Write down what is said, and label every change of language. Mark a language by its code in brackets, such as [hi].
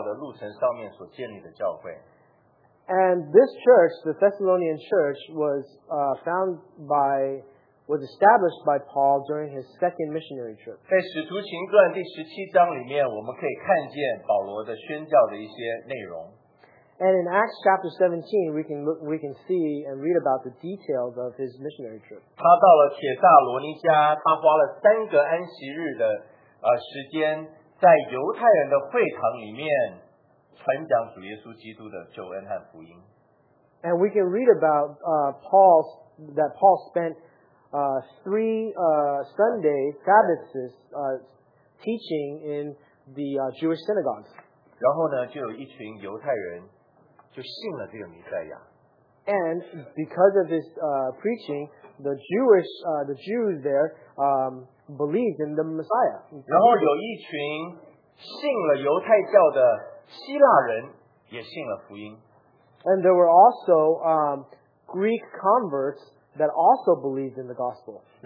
[zh] 帖撒罗尼迦里面的教会是保罗在他第二次的宣教的路程上面所建立的教会。 [en] And this church, the Thessalonian church, was was established by Paul during his second missionary trip. [zh] 在《使徒行传》第17章里面，我们可以看见保罗的宣教的一些内容。 [en] And in Acts chapter 17, we can see and read about the details of his missionary trip. [zh] 他到了帖撒罗尼迦，他花了三个安息日的时间，在犹太人的会堂里面传讲主耶稣基督的救恩和福音。 [en] And we can read about Paul spent three Sabbaths teaching in the Jewish synagogues. [zh] 然后呢，就有一群犹太人就信了这个弥赛亚。And [en] because of this preaching, the Jews there believed in the Messiah. [zh] 然后有一群信了犹太教的希腊人也信了福音。 [en] And there were also Greek converts that also believed in the gospel.